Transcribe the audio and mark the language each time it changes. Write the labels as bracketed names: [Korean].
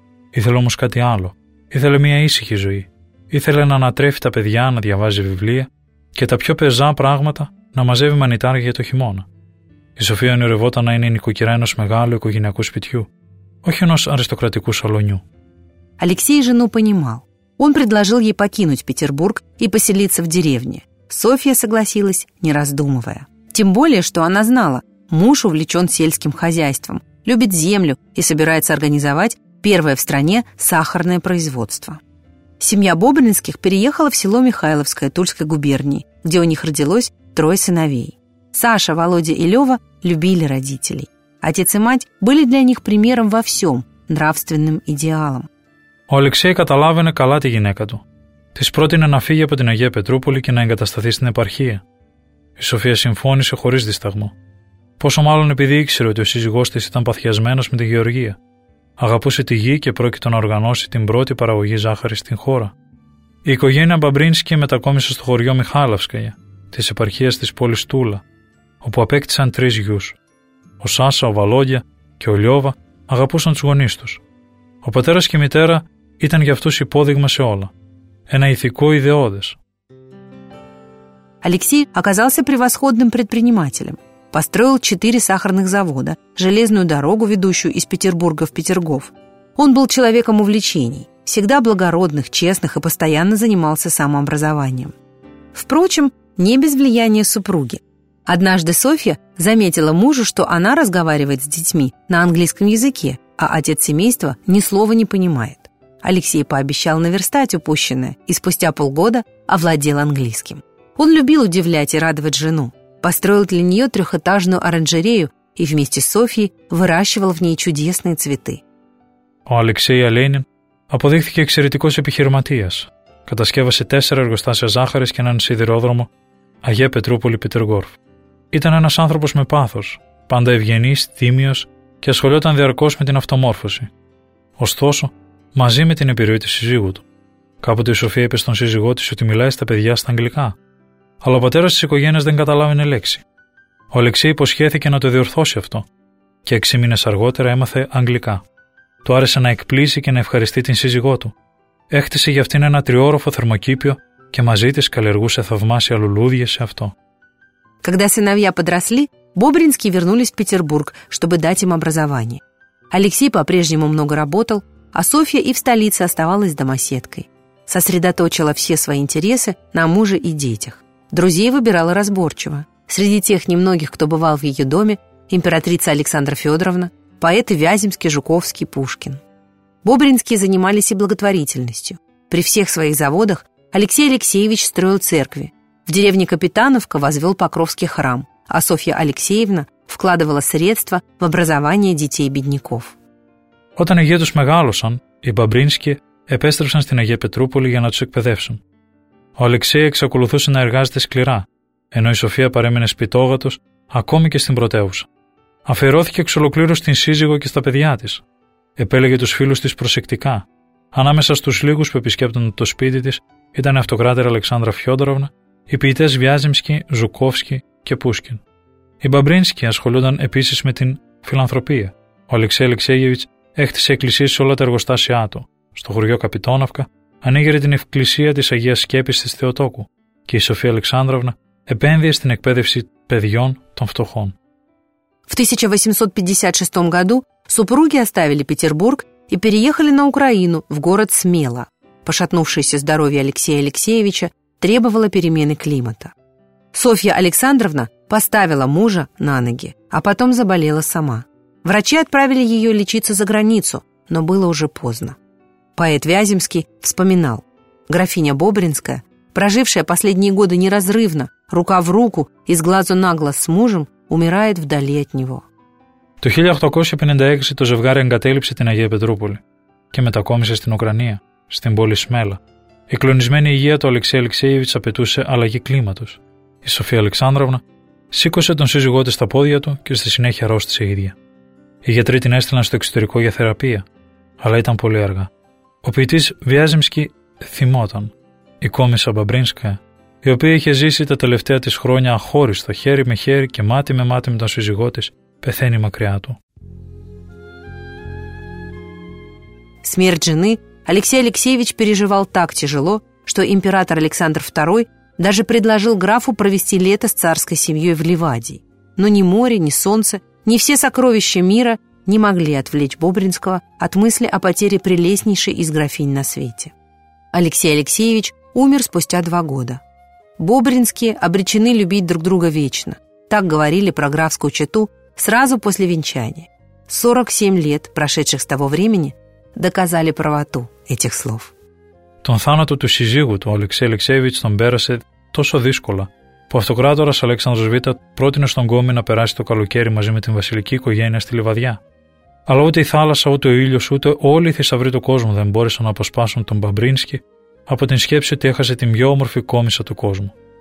[Greek] Ήθελε όμως κάτι άλλο. Ήθελε μια ήσυχη ζωή. Ήθελε να ανατρέφει τα παιδιά να διαβάζει βιβλία και τα πιο πεζά πράγματα να μαζεύει μανιτάρια για το χειμώνα. Η Σοφία ονειρευόταν να είναι η νοικοκυρά ενός μεγάλου οικογενειακού σπιτιού, όχι ενός αριστοκρατικού σαλονιού. [Russian] Алексей жену понимал. Он предложил ей покинуть Петербург и поселиться в деревне. Софья согласилась, не раздумывая. Тем более, что она знала, муж увлечен сельским хозяйством, любит землю и собирается организовать первое в стране сахарное производство. Семья Бобринских переехала в село Михайловское Тульской губернии, где у них родилось трое сыновей. Саша, Володя и Лёва любили родителей. Отец и мать были для них примером во всём, нравственным идеалом. [Greek] Ο Алексей καταλάβαινε καλά τη γυναίκα του. Της πρότεινε να φύγει από την Αγία Πετρούπολη και να εγκατασταθεί στην επαρχία. Η Σοφία συμφώνησε χωρίς δισταγμό. Πόσο μάλλον επειδή ήξερε ότι ο σύζυγός της ήταν παθιασμένος με τη γεωργία. Αγαπούσε τη γη και πρόκειτο να οργανώσει την πρώτη παραγωγή ζάχαρης στην χώρα. Η οικογένεια Μπαμπρίνσκι μετακόμισε στο χωριό Μιχάλευσκαγια, της επαρχίας της πόλης Τούλα, όπου απέκτησαν τρεις γιους. Ο Σάσα, ο Βαλόγια και ο Λιώβα αγαπούσαν τους γονείς τους. Ο πατέρας και η μητέρα ήταν για αυτούς υπόδειγμα σε όλα. Ένα ηθικό ιδεώδες. [Russian] Алексей оказался превосходным предпринимателем. Построил 4 сахарных завода, железную дорогу, ведущую из Петербурга в Петергоф. Он был человеком увлечений, всегда благородных, честных и постоянно занимался самообразованием. Впрочем, не без влияния супруги. Однажды Софья заметила мужу, что она разговаривает с детьми на английском языке, а отец семейства ни слова не понимает. Алексей пообещал наверстать упущенное и спустя полгода овладел английским. Он любил удивлять и радовать жену, построил для нее трехэтажную оранжерею и вместе с Софьей выращивал в ней чудесные цветы. [Greek] Ο Αλεξέι Αλένιν αποδείχθηκε εξαιρετικός επιχειρηματίας. Κατασκεύασε 4 εργοστάσια ζάχαρης και έναν σιδηρόδρομο Αγία Πετρούπολη Πιτεργόρφ. Ήταν ένας άνθρωπος με πάθος, πάντα ευγενής, τίμιος και ασχολιόταν διαρκώς με την αυτομόρφωση. Ωστόσο, μαζί με την επιρροή της σύζυγου του. Κάποτε η Σοφία είπε στον σύζυγό της ότι μιλάει στα παιδιά στα αγγλικά. Αλλά ο πατέρας της οικογένειας δεν καταλάβαινε λέξη. Ο Αλεξέι υποσχέθηκε να το διορθώσει αυτό και 6 μήνες αργότερα έμαθε αγγλικά. Του άρεσε να εκπλήσει και να ευχαριστεί την σύζυγό του. Έχτισε για αυτήν ένα τριώροφο θερμοκήπιο και μαζί της καλλιεργούσε θαυμάσια λουλούδια σε αυτό. [Russian] Когда сыновья подросли, Бобринские вернулись в Петербург, чтобы дать им образование. Алексей по-прежнему много работал, а Софья и в столице оставалась домоседкой. Сосредоточила все свои интересы на муже и детях. Друзей выбирала разборчиво. Среди тех немногих, кто бывал в ее доме, императрица Александра Федоровна, поэты Вяземский, Жуковский, Пушкин. Бобринские занимались и благотворительностью. При всех своих заводах Алексей Алексеевич строил церкви. В деревне Капитановка возвел Покровский храм, а Софья Алексеевна вкладывала средства в образование детей бедняков. [Greek] Όταν οι γιοί τους μεγάλωσαν, οι Μπαμπρίνσκοι επέστρεψαν στην Αγία Πετρούπολη για να τους εκπαιδεύσουν. Ο Αλεξέι εξακολουθούσε να εργάζεται σκληρά, ενώ η Σοφία παρέμενε σπιτόγατος ακόμη και στην πρωτεύουσα. Αφιερώθηκε εξ ολοκλήρου στην σύζυγο και στα παιδιά της. Επέλεγε τους φίλους της προσεκτικά. Ανάμεσα στους λίγους που επισκέπτονταν το σπίτι της ήταν η αυτοκράτερα Αλεξάνδρα Φιόντοροβνα, οι ποιητές Βιάζιμσκι, Ζουκόφσκι και Πούσκιν. Οι Μπαμπρίνσκοι ασχολούνταν επίσης με την φιλανθρωπία. Ο Αλεξέι Αλεξέγεβιτς έχτισε εκκλησίες σε όλα τα εργοστάσια του. Στο χωριό Καπιτόναυκα ανήγερε την εκκλησία της Αγίας Σκέπης της Θεοτόκου και η Σοφία Αλεξάνδροβνα επένδυε στην εκπαίδευση παιδιών των φτωχών. [Russian] В 1856 году супруги оставили Петербург и переехали на Украину, в город Смела. Пошатнувшееся здоровье Алексея Алексеевича требовало перемены климата. Софья Александровна поставила мужа на ноги, а потом заболела сама. Врачи отправили ее лечиться за границу, но было уже поздно. Поэт Вяземский вспоминал: «Графиня Бобринская, прожившая последние годы неразрывно, рука в руку и с глазу на глаз с мужем, умирает вдали от него». [Greek] Το 1856 το ζευγάρι εγκατέλειψε την Αγία Πετρούπολη και μετακόμισε στην Ουκρανία, στην πόλη Σμέλα. Η κλονισμένη υγεία του Αλεξέι Αλεξέιεβιτς απαιτούσε αλλαγή κλίματος. Η Σοφία Αλεξάνδροβνα σήκωσε τον σύζυγό της στα πόδια του και στη συνέχεια αρρώστησε η ίδια. Οι γιατροί την έστειλαν στο εξωτερικό για θεραπεία, αλλά ήταν πολύ αργά. Ο ποιητής Βιάζιμσκι θυμόταν. Η κόμισσα Μπαμπρίνσκα, η οποία είχε ζήσει τα τελευταία της χρόνια αχώριστο, χέρι με χέρι και μάτι με μάτι με τον σύζυγό της, πεθαίνει μακριά του. [Russian] Смерть жены Алексей Алексеевич переживал так тяжело, что император Александр II даже предложил графу провести лето с царской семьей в Ливадии. Но ни море, ни солнце, ни все сокровища мира не могли отвлечь Бобринского от мысли о потере прелестнейшей из графинь на свете. Алексей Алексеевич умер спустя 2 года. Бобринские обречены любить друг друга вечно. Так говорили про графскую чету сразу после венчания. 47 лет, прошедших с того времени, доказали правоту этих слов. [Greek] Τον θάνατο του σύζυγου του, ο Αλεξέι Αλεξέιεβιτς τον πέρασε τόσο δύσκολα, που ο αυτοκράτορας Αλέξανδρος Β' πρότεινε στον κόμι να περάσει το καλοκαίρι μαζί με την βασιλική οικογένεια στη Λιβαδιά. Αλλά ούτε η θάλασσα, ούτε ο ήλιος, ούτε όλοι οι θησαυροί του κόσμου δεν μπόρεσαν να αποσπάσουν τον Μπαμπρίνσκι από την σκέψη ότι έχασε την πιο όμορφη κόμισσα του κόσμου.